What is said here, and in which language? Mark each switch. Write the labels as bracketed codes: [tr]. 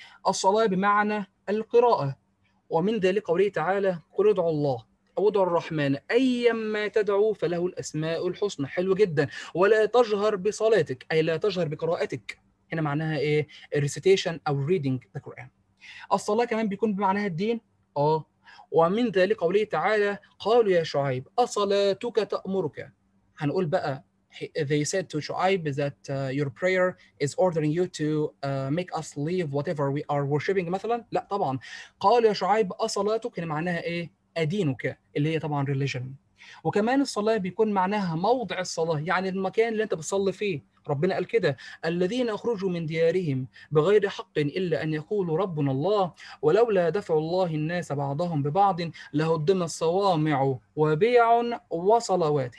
[ar] الصلاة بمعنى القراءة. ومن ذلك قوله تعالى قل ادعوا الله او ادعوا الرحمن ايما تدعوا فله الاسماء الحسنى. حلو جدا. ولا تجهر بصلاتك، اي لا تجهر بقراءتك. هنا معناها ايه؟ الريسيتيشن او ريدنج ذا قران. الصلاه كمان بيكون بمعناها الدين. ومن ذلك قوله تعالى قالوا يا شعيب اصلاتك تامرك. هنقول بقى [en] they said to شعيب that your prayer is ordering you to make us leave whatever we are worshiping مثلا. [ar] لا طبعا، قال يا شعيب أصلاتك هنا معناها إيه؟ أدينك اللي هي طبعا religion. وكمان الصلاة بيكون معناها موضع الصلاة، يعني المكان اللي أنت بتصلي فيه. ربنا قال كده الذين أخرجوا من ديارهم بغير حق إلا أن يقولوا ربنا الله، ولولا دفع الله الناس بعضهم ببعض لهدم الصوامع وبيع وصلوات.